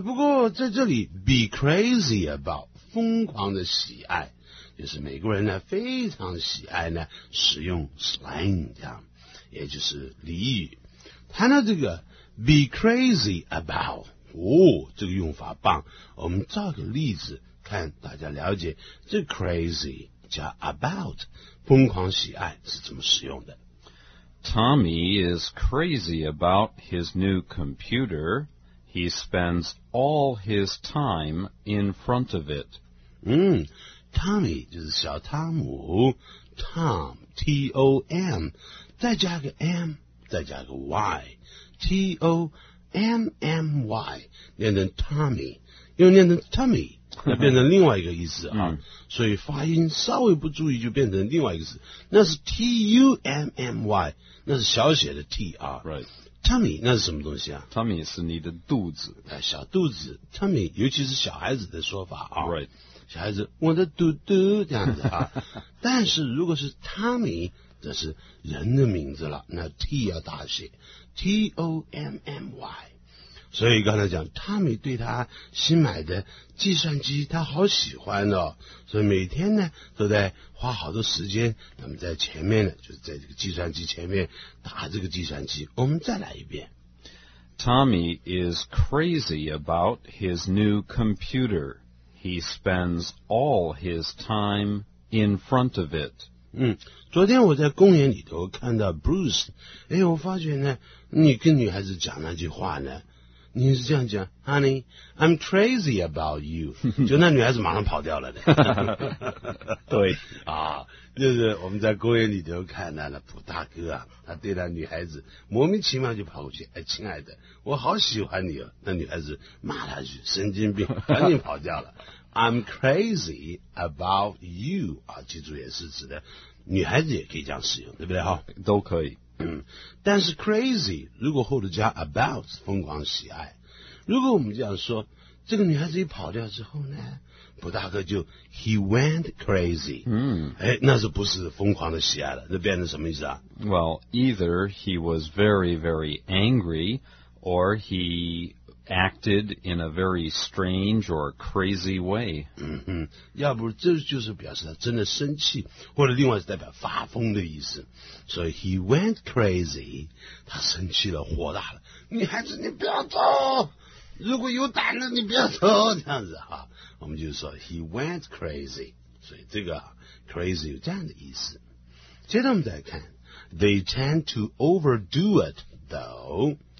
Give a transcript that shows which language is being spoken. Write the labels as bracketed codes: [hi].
[zh] 不过在这里 [en] be crazy about [zh] 疯狂的喜爱就是美国人呢非常喜爱呢使用 slang 这样也就是俚语他呢这个 be crazy about 哦这个用法棒我们造个例子看大家了解这 crazy加 about 疯狂喜爱是怎么使用的 [en] Tommy is crazy about his new computer He spends all his time in front of it、 [zh] 嗯、Tommy 就是小汤姆 Tom T-O-M 再加个 M 再加个 Y T-O-M-M-Y 念成 Tommy 又念成 Tommy那变成另外一个意思啊、嗯、所以发音稍微不注意就变成另外一个字那是 T-U-M-M-Y 那是小写的 T 啊、 [en] right. [zh] Tummy 那是什么东西啊 Tummy 是你的肚子、啊、小肚子 Tummy 尤其是小孩子的说法啊、 [en] right. [zh] 小孩子我的肚肚这样子啊但是如果是 Tummy 这是人的名字了那 T 要大写 T-O-M-M-Y所以刚才讲 Tommy 对他新买的计算机他好喜欢哦所以每天呢都在花好多时间那么在前面呢就是在这个计算机前面打这个计算机我们再来一遍 [en] Tommy is crazy about his new computer He spends all his time in front of it [zh] 嗯昨天我在公园里头看到 Bruce 哎我发觉呢你跟女孩子讲那句话呢你是这样讲 [en] Honey, I'm crazy about you [zh] 就那女孩子马上跑掉了的对啊，就是我们在公园里头看到了普大哥啊，他对那女孩子莫名其妙就跑过去哎，亲爱的我好喜欢你哦。那女孩子骂他去神经病赶紧跑掉了 [en] I'm crazy about you [zh] 啊，记住也是指的女孩子也可以这样使用对不对哈？都可以嗯，但是 crazy 如果后头加 about 疯狂喜爱如果我们这样说这个女孩子一跑掉之后呢普大哥就 [en] he went crazy [zh] 嗯，哎，那是不是疯狂的喜爱了那变成什么意思啊 [en] well either he was very very angry or he acted in a very strange or crazy way [zh] 嗯哼，要不这就是表示他真的生气或者另外是代表发疯的意思所以 [en] he went crazy [zh] 他生气了火大了女孩子你不要走如果有胆子你不要走这样子哈我们就是说 he went crazy 所以这个 crazy 有这样的意思接着我们再看 [en] they tend to overdo it though